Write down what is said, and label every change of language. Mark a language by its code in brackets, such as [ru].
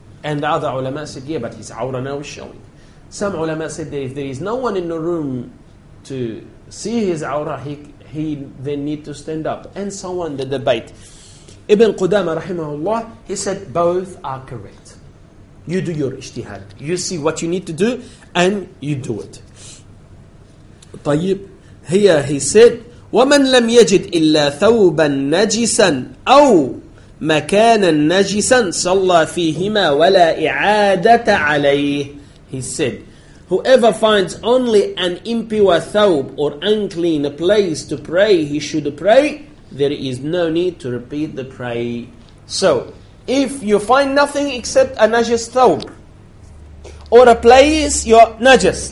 [en] And the other ulama said, yeah, but his awrah now is showing. Some ulama said that if there is no one in the room to see his awrah, he then need to stand up. And so on, the debate. Ibn Qudama, rahimahullah, he said, both are correct. You do your ijtihad. You see what you need to do, and you do it. [ar] طيب. [en] Here he said, [ar] وَمَنْ لَمْ يَجِدْ إِلَّا ثَوْبًا نَجِسًا أَوْ مَكَانًا نَجِسًا صَلَّى فِيهِمَا وَلَا إِعَادَةَ عَلَيْهِ. [en] He said, whoever finds only an impure thawb or unclean place to pray, he should pray. There is no need to repeat the prayer. So, if you find nothing except a najis thawb, or a place, you're najis.